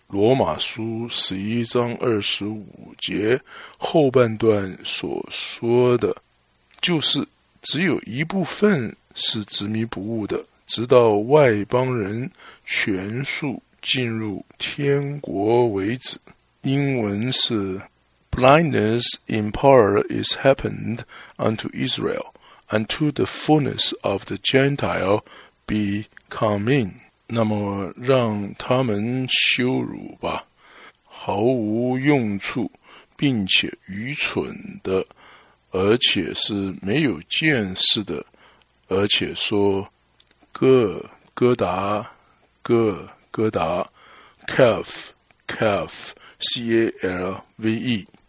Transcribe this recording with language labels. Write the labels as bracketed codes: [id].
[zh] 罗马书十一章二十五节后半段所说的，就是只有一部分是执迷不悟的，直到外邦人全数进入天国为止。英文是 [en] Blindness in part is happened unto Israel, unto the fullness of the Gentile be come in. [zh] 那么让他们羞辱吧，毫无用处并且愚蠢的，而且是没有见识的，而且说哥哥达，哥哥达 Calf Calf C-A-L-V-E，